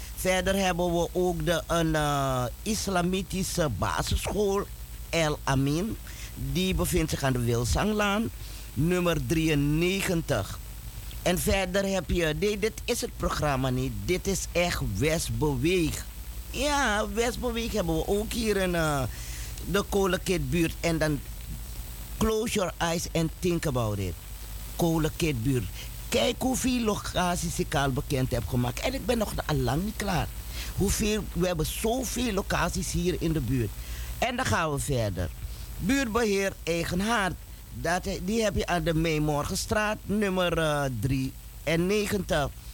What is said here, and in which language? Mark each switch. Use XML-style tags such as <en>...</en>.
<nl>Verder hebben we ook een islamitische basisschool, El Amin. Die bevindt zich aan de Wilsanglaan, nummer 93. En verder heb je, dit is het programma niet, dit is echt Westbeweeg. Ja, Westbeweeg hebben we ook hier in de Kolenkitbuurt. En dan</nl> <en>close your eyes and think about it.</en> <nl>Kolenkitbuurt. Kijk hoeveel locaties ik al bekend heb gemaakt. En ik ben nog al lang niet klaar. We hebben zoveel locaties hier in de buurt. En dan gaan we verder. Buurtbeheer Eigen Haard. Die heb je aan de Meemorgenstraat, nummer 93.</nl>